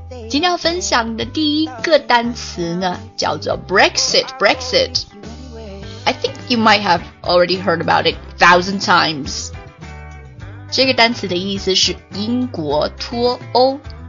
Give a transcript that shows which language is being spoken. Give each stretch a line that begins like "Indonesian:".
Chinese: 今天要分享的第一个单词呢，叫做 Brexit.
English: Brexit. I think you might have already heard about it 1,000 times.
Chinese: 这个单词的意思是英国脱欧。